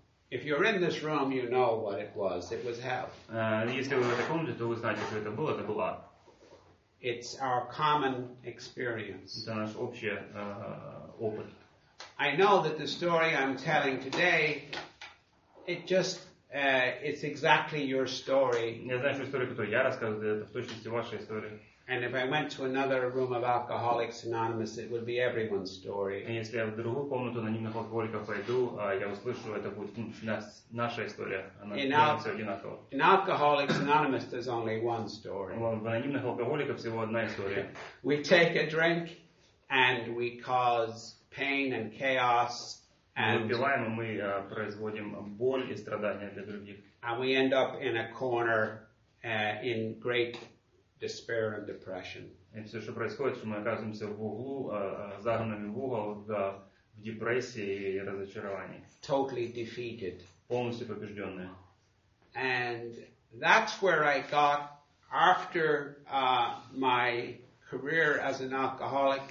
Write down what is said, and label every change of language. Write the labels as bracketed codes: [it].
[en] If you're in this room, you know what it was. It was hell. [ru] Если вы в этой комнате, то вы знаете, что это было. Это был ад. [en] It's our common experience. [ru] Это наш общий опыт. [en] I know that the story I'm telling today, it just, it's exactly your story. [ru] Я знаю, что история, которую я рассказываю, это в точности ваша история. [en] And if I went to another room of Alcoholics Anonymous, it would be everyone's story. [ru] И если я в другую комнату анонимных алкоголиков пойду, я услышу, это будет наша история. [en] In Alcoholics Anonymous, there's only one story. [ru] В анонимных алкоголиках всего одна история. [en] We take a drink, and we cause pain and chaos And [ru] мы выпиваем, и мы производим боль и страдания для других. [en] And we end up in a corner in great despair and depression. [ru] И все, что происходит, что мы оказываемся в углу, загнанными в угол, в депрессии и разочаровании. [en] Totally defeated. [ru] Полностью побежденные. [en] And that's where I got after my career as an alcoholic.